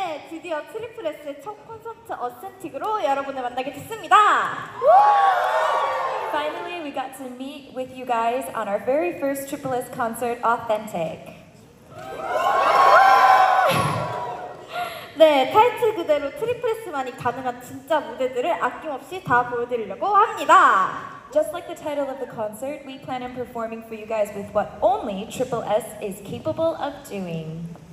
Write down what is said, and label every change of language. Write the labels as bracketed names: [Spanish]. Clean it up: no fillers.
[Korean] 드디어 트리플S의 첫 콘서트 어센틱으로 여러분을 만나게 됐습니다. [English] Finally, we got to meet with you guys on our very first tripleS concert, Authentic. [Korean] 네, 타이틀 그대로 트리플S만이 가능한 진짜 무대들을 아낌없이 다 보여드리려고 합니다. [English] Just like the title of the concert, we plan on performing for you guys with what only tripleS is capable of doing.